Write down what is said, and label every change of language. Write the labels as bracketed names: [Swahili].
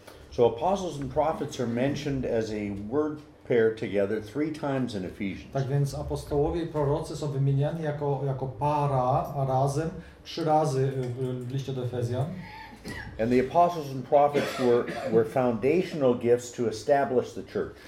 [English] So apostles and prophets are mentioned as a word pair together three times in Ephesians. [Polish] Tak więc apostołowie i prorocy są wymieniani jako para razem trzy razy w liście do Efezjan. [English] And the apostles and prophets were foundational gifts to establish the church.